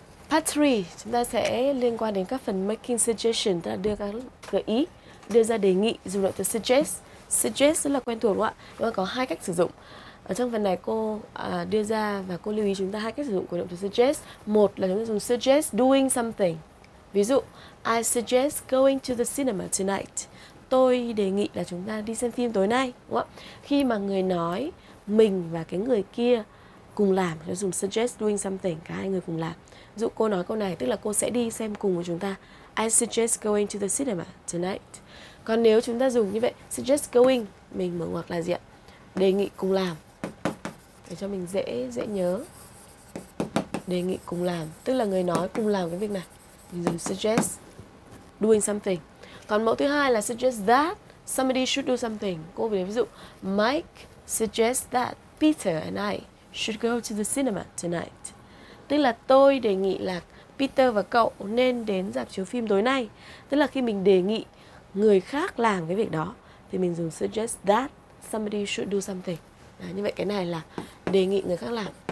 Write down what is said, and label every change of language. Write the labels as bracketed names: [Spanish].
[Vietnamese] Part 3, chúng ta sẽ liên quan đến các phần making suggestion, tức là đưa các gợi ý, đưa ra đề nghị, dùng động từ suggest. Suggest rất là quen thuộc đúng không ạ? Nhưng mà có hai cách sử dụng. Ở trong phần này cô đưa ra và cô lưu ý chúng ta hai cách sử dụng của động từ suggest. Một là chúng ta dùng suggest doing something. Ví dụ, [English] I suggest going to the cinema tonight. [Vietnamese] Tôi đề nghị là chúng ta đi xem phim tối nay, đúng không ạ? Khi mà người nói mình và cái người kia cùng làm, chúng ta dùng suggest doing something, cả hai người cùng làm. Ví dụ cô nói câu này, tức là cô sẽ đi xem cùng với chúng ta. [English] I suggest going to the cinema tonight. [Vietnamese] Còn nếu chúng ta dùng như vậy, suggest going, mình mở ngoặc là gì ạ? Đề nghị cùng làm. Để cho mình dễ nhớ. Đề nghị cùng làm, tức là người nói cùng làm cái việc này. Mình dùng suggest doing something. Còn mẫu thứ hai là suggest that somebody should do something. Cô vừa ví dụ, [English] Mike suggests that Peter and I should go to the cinema tonight. [Vietnamese] Tức là tôi đề nghị là Peter và cậu nên đến rạp chiếu phim tối nay. Tức là khi mình đề nghị người khác làm cái việc đó thì mình dùng suggest that somebody should do something. À, như vậy cái này là đề nghị người khác làm.